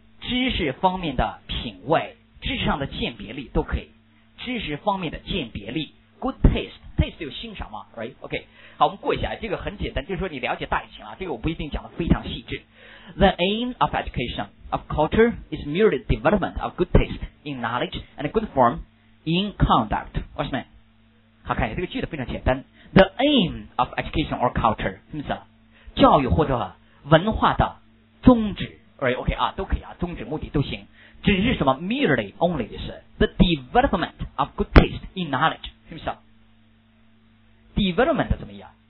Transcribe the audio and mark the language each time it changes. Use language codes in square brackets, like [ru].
[zh] 知识方面的品味，知识上的鉴别力都可以。知识方面的鉴别力 ， [en] good taste, [zh] taste 就欣赏嘛 ，right? OK， 好，我们过一下，这个很简单，就是说你了解大就行了。这个我不一定讲的非常细致。 [en] The aim of education of culture is merely development of good taste in knowledge and good form in conduct. What's that? [zh] 好，看一下这个句子非常简单。 [en] The aim of education or culture， [zh] 什么意思？教育或者文化的宗旨 ，right？ OK 啊，都可以啊，宗旨、目的都行。只是什么 [en] ？Merely only [zh] 就是 [en] the development of good taste in knowledge， [zh] 什么意思 [en] ？Development [zh] 怎么样？